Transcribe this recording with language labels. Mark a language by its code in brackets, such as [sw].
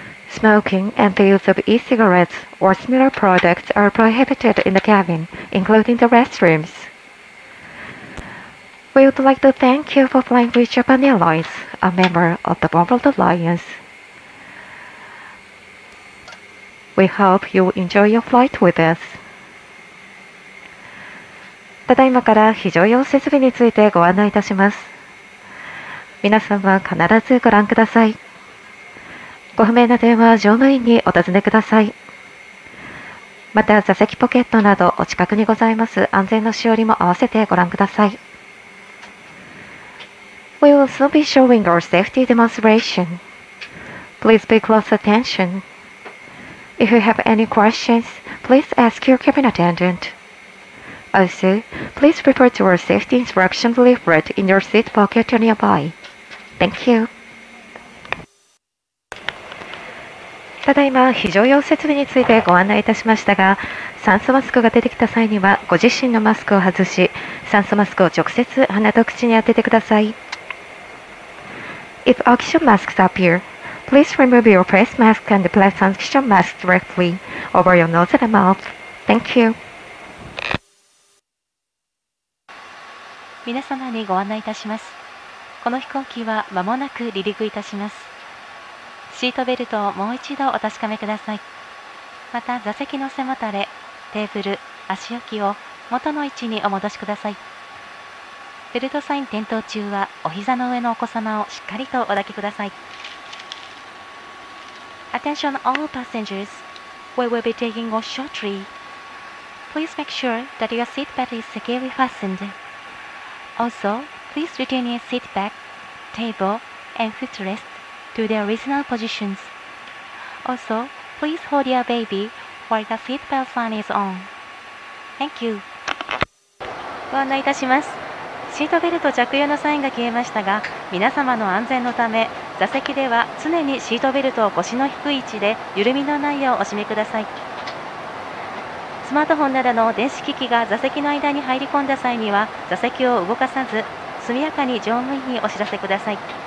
[en] Smoking and the use of e-cigarettes or similar products are prohibited in the cabin, including the restrooms. We would like to thank you for flying with Japan Airlines, a member of the Bumbled Alliance. We hope you enjoy your flight with us. [ja] ただいまから非常用設備についてご案内いたします。皆様必ずご覧ください。ご不明な点は乗務員にお尋ねください。また座席ポケットなどお近くにございます安全のしおりも合わせてご覧ください。 [en] We will soon be showing our safety demonstration. Please pay close attention. If you have any questions, please ask your cabin attendant. Also, please refer to our safety instruction leaflet in your seat pocket nearby. Thank you. [ja] ただいま非常用設備についてご案内いたしましたが、酸素マスクが出てきた際にはご自身のマスクを外し、酸素マスクを直接鼻と口に当ててください。 [en] If oxygen masks appear, please remove your face mask and place oxygen mask directly over your nose and mouth. Thank you. [ja] 皆様にご案内いたします。この飛行機は間もなく離陸いたします。シートベルトをもう一度お確かめください。また座席の背もたれ、テーブル、足置きを元の位置にお戻しください。ベルトサイン点灯中はお膝の上のお子様をしっかりとお抱きください。 [en] Attention all passengers, we will be taking off shortly. Please make sure that your seat belt is securely fastened. Also, please retain your seat back, table, and footrest to their original positions. Also, please hold your baby while the seat belt sign is on. Thank you. [ja] ご案内いたします。シートベルト着用のサインが消えましたが、皆様の安全のため、座席では常にシートベルトを腰の低い位置で緩みのないようお締めください。スマートフォンなどの電子機器が座席の間に入り込んだ際には、座席を動かさず、速やかに乗務員にお知らせください。